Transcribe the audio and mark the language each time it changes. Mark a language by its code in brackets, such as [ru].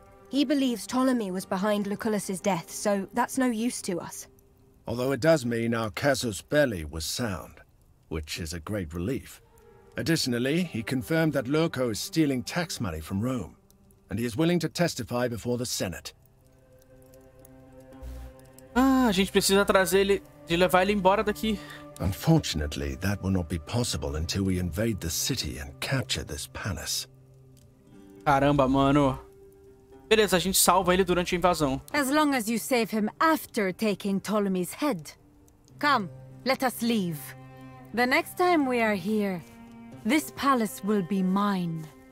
[en] He believes Ptolemy was behind Lucullus's death, so that's no use to us. Although it does mean our casus belli was sound, which is a great relief. Additionally, he confirmed that Lurko is stealing tax money from Rome, and he is willing to testify before the Senate. [pt] Ah, a gente precisa trazer ele, de levar ele embora daqui. [en] Unfortunately, that will not be possible until we invade the city and capture this palace. [pt] Caramba, mano. Beleza, a gente salva ele durante a invasão. [en] As long as you save him after taking Ptolemy's head. Come, let us leave. The next time we are here, this palace will be mine.